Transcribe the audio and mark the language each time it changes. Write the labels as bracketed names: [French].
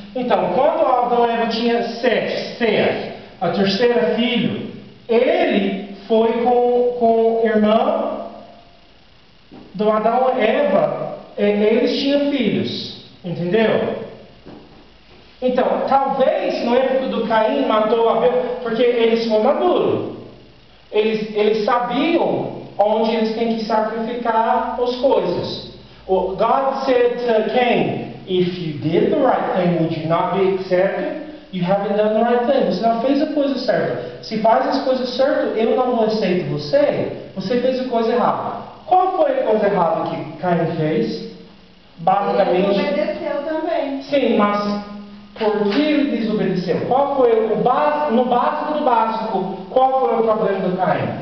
[Portuguese] Então, quando Adão e Eva tinha Seth, a terceira filho, ele foi com a irmã do Adão e Eva, e eles tinham filhos, entendeu? Então, talvez no época do Caim matou Abel, porque eles foram maduros. Eles sabiam onde eles têm que sacrificar as coisas. [English] Well, God said to Cain, if you did the right thing, would you not be accepted? You haven't done the right thing. [Portuguese] Você não fez a coisa certa. Se faz as coisas certas, eu não vou aceitar você. Você fez a coisa errada. Qual foi a coisa errada que Caim fez? Basicamente. Ele obedeceu também. Sim, mas. Por que ele desobedeceu? Qual foi o básico, no básico do básico, qual foi o problema do Caim?